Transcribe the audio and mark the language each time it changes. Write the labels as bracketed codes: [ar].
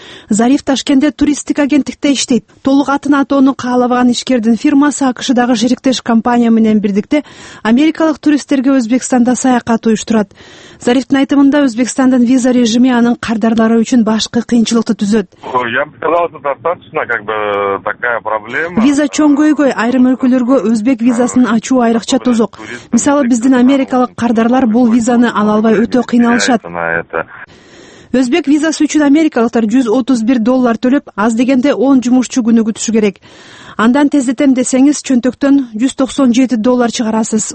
[ky] Зариф Ташкентте туристтик агенттикте иштейт. Толук атын атоону каалабаган ишкердин фирмасы АКШ-дагы шериктеш компания менен бирдикте америкалык туристтерге Өзбекстанда саякат уюштурат. Зарифтин айтымында Өзбекстандын виза режими анын кардарлары үчүн башкы кыйынчылыкты түзөт. [ru] Я бы сказал, что достаточно как бы такая проблема. [ky] Виза чоңгойгой, айрым өлкөлөргө өзбек визасын ачуу айрыкча тозок. Мисалы, биздин америкалык кардарлар бул визаны ала албай өтө кыйналышат. Өзбек визасы үчүн америкалыктар 131 доллар төлөп, аз дегенде 10 жумушчу күнү күтүшү керек. Андан тездетем десеңиз, чөнтөктөн 197 доллар чыгарасыз.